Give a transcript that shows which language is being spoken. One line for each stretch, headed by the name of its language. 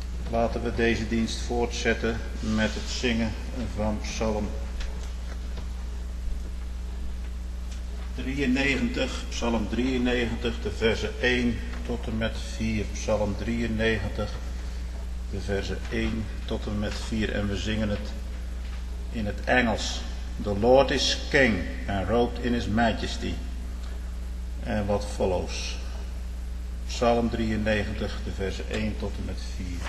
Dutch: Laten we deze dienst voortzetten met het zingen van Psalm 93, Psalm 93, de verse 1 tot en met 4. Psalm 93, de verse 1 tot en met 4. En we zingen het in het Engels.
English: The Lord is King and robed in His Majesty.
Dutch: En wat
English: follows.
Dutch: Psalm 93, de verse 1 tot en met 4.